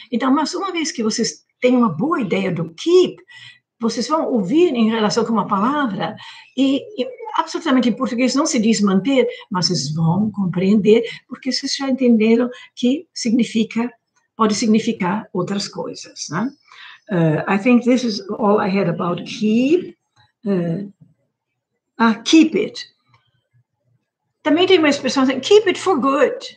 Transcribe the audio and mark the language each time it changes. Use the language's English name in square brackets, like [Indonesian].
[Portuguese] Então, mas uma vez que vocês têm uma boa ideia do keep, vocês vão ouvir em relação com uma palavra, e absolutamente em português não se diz manter, mas vocês vão compreender, porque vocês já entenderam que significa pode significar outras coisas, né? [English] I think this is all I had about keep. Keep it. [Portuguese] Também tem uma expressão assim, [English] keep it for good.